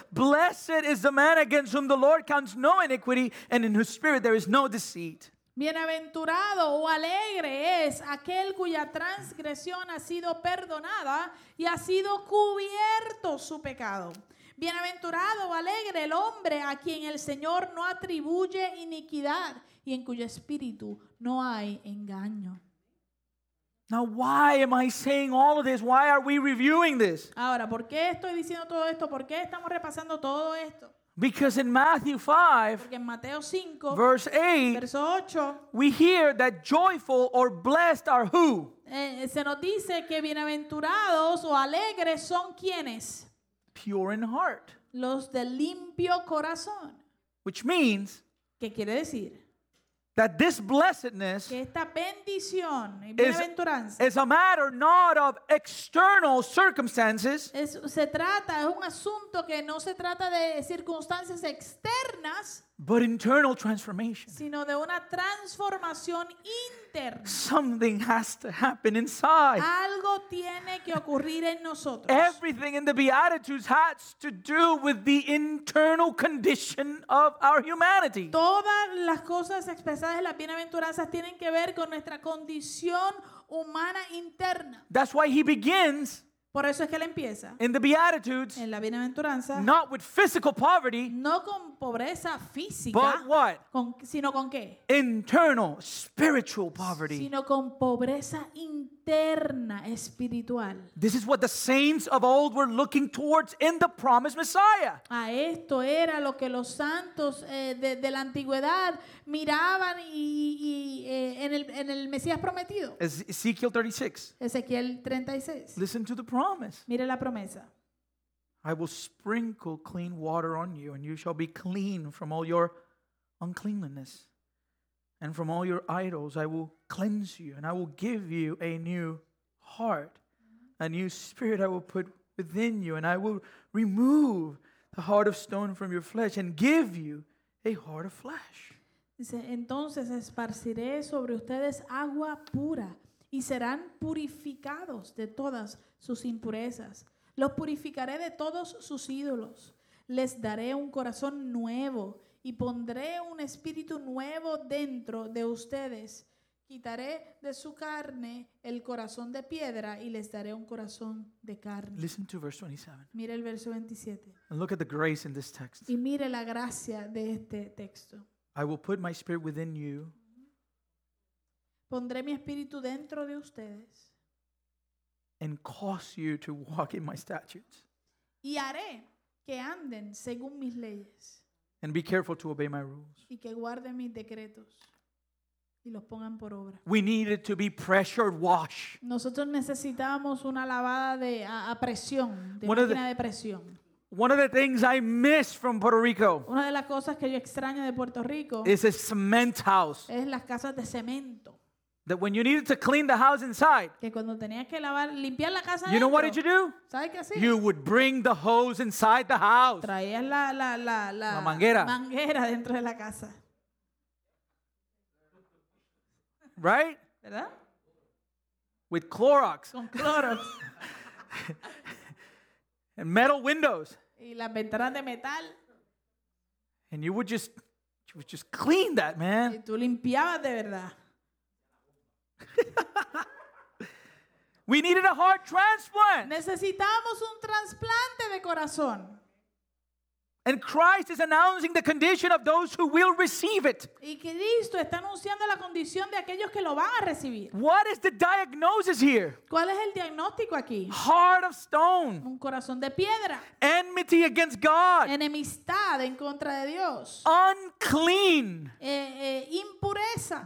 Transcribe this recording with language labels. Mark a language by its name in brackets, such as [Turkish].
[English] Blessed is the man against whom the Lord counts no iniquity, and in whose spirit there is no deceit. [Spanish] Bienaventurado o alegre es aquel cuya transgresión ha sido perdonada y ha sido cubierto su pecado. Bienaventurado o alegre el hombre a quien el Señor no atribuye iniquidad y en cuyo espíritu no hay engaño. [English] Now, why am I saying all of this? Why are we reviewing this? [Spanish] Ahora, ¿por qué estoy diciendo todo esto? ¿Por qué estamos repasando todo esto? [English] Because in Matthew 5, [Spanish] porque en Mateo 5, [English] verse 8, [Spanish] verso 8, [English] we hear that joyful or blessed are who? [Spanish] Se nos dice que bienaventurados o alegres son quienes? [English] Pure in heart. [Spanish] Los de limpio corazón. [English] Which means, [Spanish] ¿qué quiere decir? [English] That this blessedness, [Spanish] que esta bendición y bienaventuranza, [English] is a matter not of external circumstances. [Spanish] Es un asunto que no se trata de circunstancias externas, [English] but internal transformation. [Spanish] Sino de una transformación interna. [English] Something has to happen inside. [Spanish] Algo tiene que ocurrir en nosotros. [English] Everything in the Beatitudes has to do with the internal condition of our humanity. [Spanish] Todas las cosas expresadas en las bienaventuranzas tienen que ver con nuestra condición humana interna. [English] That's why he begins. [Spanish] Por eso es que él empieza. [English] In the Beatitudes. [Spanish] En la bienaventuranza. [English] Not with physical poverty. [Spanish] No con pobreza física. [English] But what? [Spanish] Sino con qué? [English] Internal, spiritual poverty. [Spanish] Sino con pobreza interna, espiritual. [English] This is what the saints of old were looking towards in the promised Messiah. [Spanish] A esto era lo que los santos de la antigüedad miraban en el Mesías prometido. [English] Ezekiel 36. [Spanish] Ezequiel 36. [English] Listen to the promise. [Spanish] Mire la promesa. [English] I will sprinkle clean water on you, and you shall be clean from all your uncleanness. And from all your idols I will cleanse you, and I will give you a new heart. A new spirit I will put within you, and I will remove the heart of stone from your flesh and give you a heart of flesh. [Spanish] Dice, entonces esparciré sobre ustedes agua pura, y serán purificados de todas sus impurezas. Los purificaré de todos sus ídolos. Les daré un corazón nuevo y pondré un espíritu nuevo dentro de ustedes. Quitaré de su carne el corazón de piedra y les daré un corazón de carne. [English] Listen to verse 27. [Spanish] Mire el verso 27. [English] And look at the grace in this text. [Spanish] Y mire la gracia de este texto. [English] I will put my spirit within you. [Spanish] Pondré mi espíritu dentro de ustedes. [English] And cause you to walk in my statutes. [Spanish] Y haré que anden según mis leyes. [English] And be careful to obey my rules. [Spanish] Y que guarden mis decretos y los pongan por obra. [English] We needed to be pressure washed. [Spanish] Nosotros necesitábamos una lavada a presión, de una máquina de presión. [English] One of the things I miss from Puerto Rico. [Spanish] Una de las cosas que yo extraño de Puerto Rico. [English] Is a cement house. [Spanish] Es las casas de cemento. [English] That when you needed to clean the house inside, [Spanish] que cuando tenías que lavar, limpiar la casa, [English] you know what did you do? [Spanish] ¿Sabes qué hacías? [English] You would bring the hose inside the house. [Spanish] Traías la manguera. Manguera dentro de la casa. [English] Right? [Spanish] ¿Verdad? [English] With Clorox. [Spanish] Con Clorox. [English] And metal windows. [Spanish] y las ventanas de metal. [English] And you would just clean that, man. [Spanish] Y tú limpiabas de verdad. [English] We needed a heart transplant. [Spanish] Necesitábamos un trasplante de corazón. [English] And Christ is announcing the condition of those who will receive it. [Spanish] Y Cristo está anunciando la condición de aquellos que lo van a recibir. [English] What is the diagnosis here? [Spanish] ¿Cuál es el diagnóstico aquí? [English] Heart of stone. [Spanish] Un corazón de piedra. [English] Enmity against God. [Spanish] Enemistad en contra de Dios. [English] Unclean. [Spanish] Impureza.